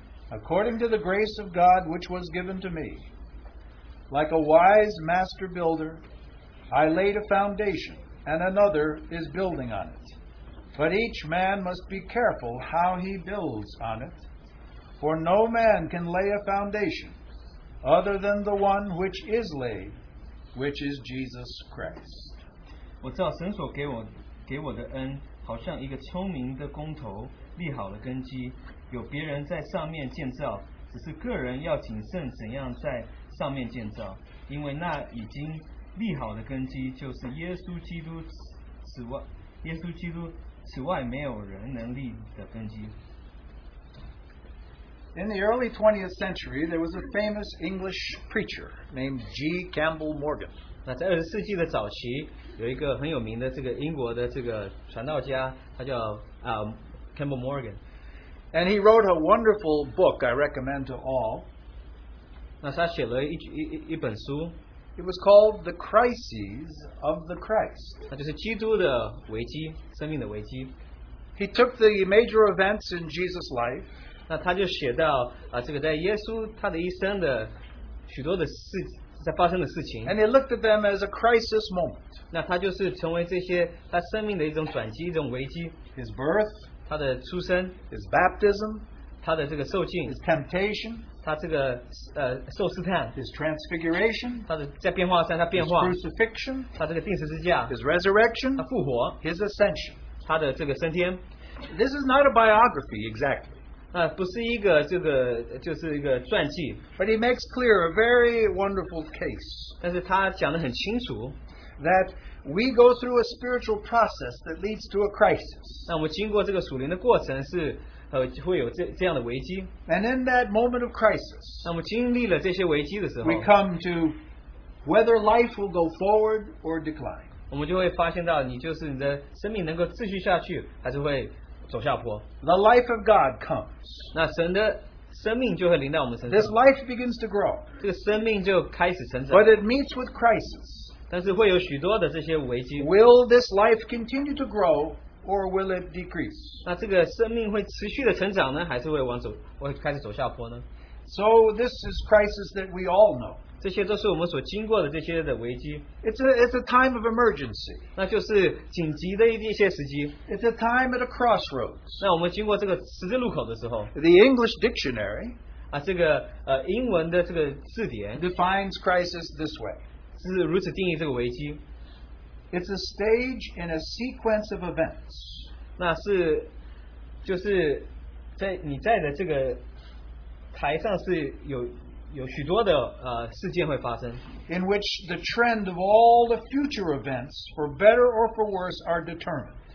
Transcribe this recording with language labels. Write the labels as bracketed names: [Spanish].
[English] According to the grace of God which was given to me, like a wise master builder, I laid a foundation, and another is building on it. But each man must be careful how he builds on it, for no man can lay a foundation other than the one which is laid, which is Jesus Christ. [Chinese] 我知道神所给我的恩好像一个聪明的工头立好了根基, 有别人在上面建造, 只是个人要谨慎怎样在上面建造, 因为那已经立好的根基就是耶稣基督此外没有人能立的根基。 [English] In the early 20th century, there was a famous English preacher named G. Campbell Morgan. [Chinese] 那在20世纪的早期, 有一个很有名的这个英国的这个传道家, 他叫, Campbell Morgan. [English] And he wrote a wonderful book I recommend to all. [Chinese] 那他写了一本书, [English] it was called The Crises of the Christ. [Chinese] 那就是基督的危机, 生命的危机。 [English] He took the major events in Jesus' life, [Chinese] 那他就写到, 这个在耶稣他的一生的许多的事, [English] and he looked at them as a crisis moment. [Chinese] 那他就是成为这些他生命的一种转机,一种危机。 [English] His birth, [Chinese] 他的出生, [English] his baptism, [Chinese] 他的这个受浸, [English] his temptation, [Chinese] 他这个, 受试探, [English] his transfiguration, [Chinese] 他的在变化山他变化, [English] his crucifixion, [Chinese] 他这个钉十字架, [English] his resurrection, [Chinese] 他复活, [English] his ascension, [Chinese] 他的这个升天。 [English] This is not a biography exactly, [Chinese] 不是一个这个就是一个传记, [English] but he makes clear a very wonderful case, [Chinese] 但是他讲得很清楚, [English] that we go through a spiritual process that leads to a crisis. And in that moment of crisis, we come to whether life will go forward or decline. The life of God comes. This life begins to grow. But it meets with crisis. Will this life continue to grow or will it decrease? [Chinese] 那这个生命会持续的成长呢，还是会往走，会开始走下坡呢？ [English] So this is crisis that we all know. [Chinese] 这些都是我们所经过的这些的危机。 [English] It's a time of emergency. [Chinese] 那就是紧急的一些时机。 [English] It's a time at a crossroads. [Chinese] 那我们经过这个十字路口的时候。 [English] The English dictionary, [Chinese] 这个英文的这个字典, [English] defines crisis this way. It's a stage in a sequence of events. [Chinese] 那是就是在你在的这个台上是有许多的事件会发生, [English] in which the trend of all the future events, for better or for worse, are determined.